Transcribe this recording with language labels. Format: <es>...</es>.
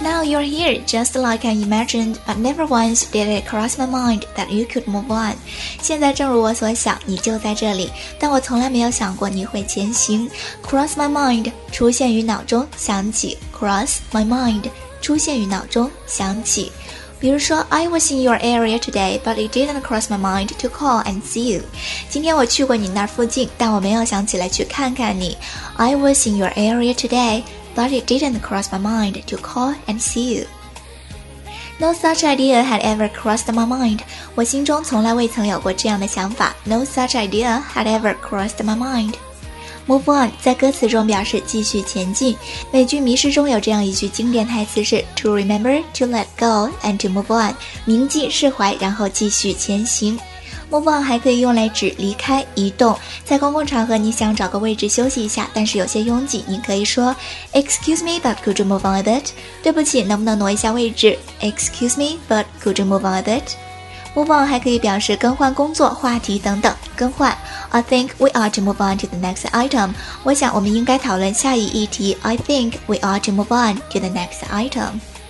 <en>Now you're here, just like I imagined, but never once did it cross my mind that you could move on.</en> <zh>现在正如我所想，你就在这里，但我从来没有想过你会前行。 Cross my mind，出现于脑中，想起。Cross my mind， 出现于脑中，想起。</zh> <en>比如说 I was in your area today but it didn't cross my mind to call and see you，今天我去过你那附近，但我没有想起来去看看你。 I was in your area today but it didn't cross my mind to call and see youNo such idea had ever crossed my mind.</en> <zh>我心中从来未曾有过这样的想法。</zh> <en>No such idea had ever crossed my mind. Move on 在歌词中表示继续前进。</en> <zh>美剧《迷失》中有这样一句经典台词是 To remember, to let go, and to move on. 铭记、释怀，然后继续前行。 Move on 还可以用来指离开、移动。在公共场合，你想找个位置休息一下，但是有些拥挤，你可以说 Excuse me, but could you move on a bit? 对不起，能不能挪一下位置？ Excuse me, but could you move on a bit? Move on 还可以表示更换工作、话题等等。</zh> <en>更换 I think we ought to move on to the next item.</en> <zh>我想我们应该讨论下一议题。</zh> <en>I think we ought to move on to the next item.</en>